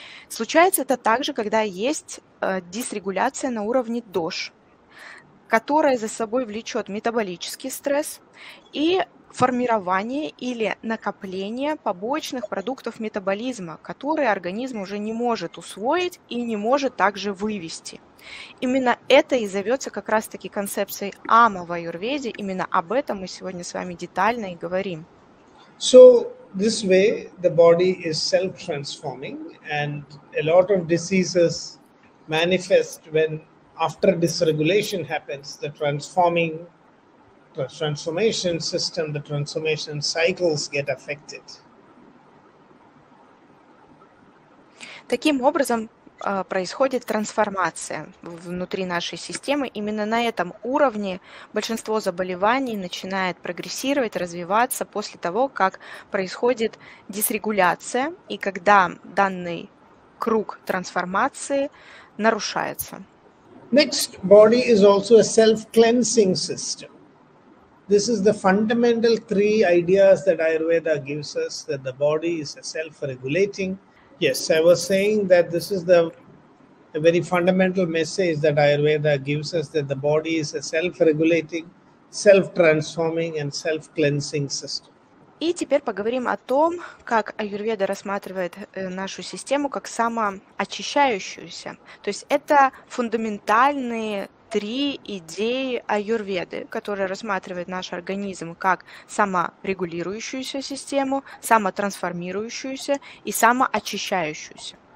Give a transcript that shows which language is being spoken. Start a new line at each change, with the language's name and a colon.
Russian: Случается это также, когда есть дисрегуляция на уровне ДОШ, которая за собой влечет метаболический стресс и формирование или накопление побочных продуктов метаболизма, которые организм уже не может усвоить и не может также вывести. Именно это и зовется как раз-таки концепцией Ама в Аюрведе. Именно об этом мы сегодня с вами детально и говорим.
English: So this way the body is self-transforming and a lot of diseases manifest when after dysregulation happens, the transforming the transformation system, the transformation cycles get affected.
Russian: Таким образом происходит трансформация внутри нашей системы. Именно на этом уровне большинство заболеваний начинает прогрессировать, развиваться после того, как происходит дисрегуляция и когда данный круг трансформации нарушается.
English: Next, body is also a self-cleansing system. This is the fundamental three ideas that Ayurveda gives us, that the body is a self-regulating. Yes, I was saying that this is the very fundamental message that Ayurveda gives us, that the body is a self-regulating, self-transforming and self-cleansing system.
Russian: И теперь поговорим о том, как Аюрведа рассматривает нашу систему как самоочищающуюся. То есть это фундаментальные три идеи Аюрведы, которые рассматривают наш организм как саморегулирующуюся систему, самотрансформирующуюся и самоочищающуюся.